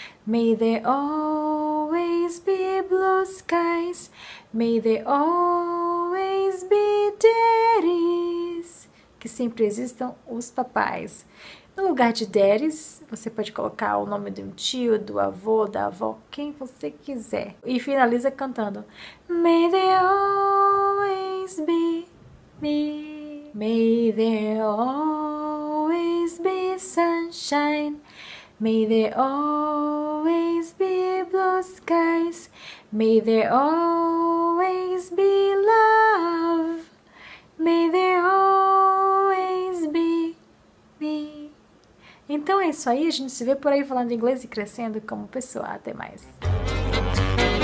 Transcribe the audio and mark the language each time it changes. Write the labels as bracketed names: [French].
[English] May there always be blue skies. May there always be daddies. [Portuguese] Que sempre existam os papais. No lugar de daddies, você pode colocar o nome de um tio, do avô, da avó, quem você quiser. E finaliza cantando. [English] May there always be me. May there always be sunshine. May there always be blue skies. May there always be love. May there always be me. [Portuguese] Então é isso aí, a gente se vê por aí falando inglês e crescendo como pessoa. Até mais.